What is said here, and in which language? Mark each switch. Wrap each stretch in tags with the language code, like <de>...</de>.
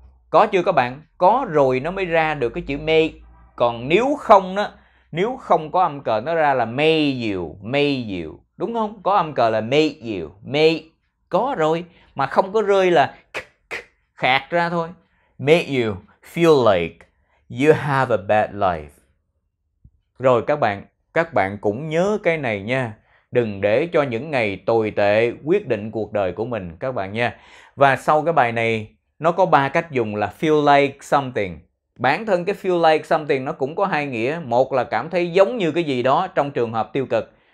<vi>Có chưa các bạn? Có rồi nó mới ra được cái chữ make. Còn nếu không đó, nếu không có âm cờ nó ra là make you. Đúng không? Có âm cờ là make you. Có rồi. Mà không có rơi là khạc ra thôi.</vi> <en>Make you feel like you have a bad life.</en> <vi>Rồi các bạn cũng nhớ cái này nha. Đừng để cho những ngày tồi tệ quyết định cuộc đời của mình các bạn nha. Và sau cái bài này, nó có 3 cách dùng là feel like something. Bản thân cái feel like something nó cũng có 2 nghĩa. Một là cảm thấy giống như cái gì đó trong trường hợp tiêu cực.</vi>